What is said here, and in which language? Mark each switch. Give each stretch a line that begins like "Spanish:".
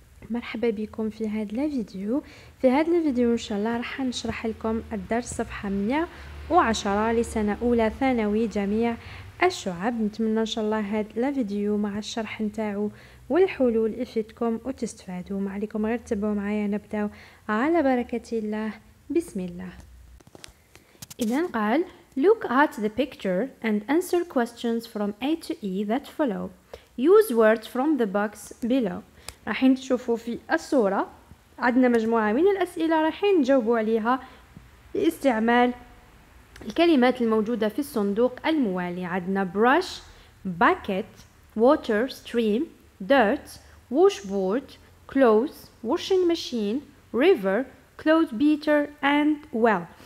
Arabic: مرحبا بكم في هذا الفيديو. في هذا الفيديو إن شاء الله راح نشرح لكم الدرس صفحة 110 لسنة أولى ثانوي جميع الشعب. نتمنى إن شاء الله هذا الفيديو مع الشرح نتاعو والحلول يفيدكم وتستفادوا. ما عليكم غير تبعوا معايا. نبدأ على بركة الله. بسم الله. إذن قال:
English: Look at the picture and answer questions from A to E that follow. Use words from the box below.
Arabic: راحين تشوفوا في الصورة عندنا مجموعة من الأسئلة راحين نجاوبوا عليها باستعمال الكلمات الموجودة في الصندوق الموالي. عندنا
English: brush, bucket, water, stream, dirt, washboard, clothes, washing machine, river, clothes beater and well.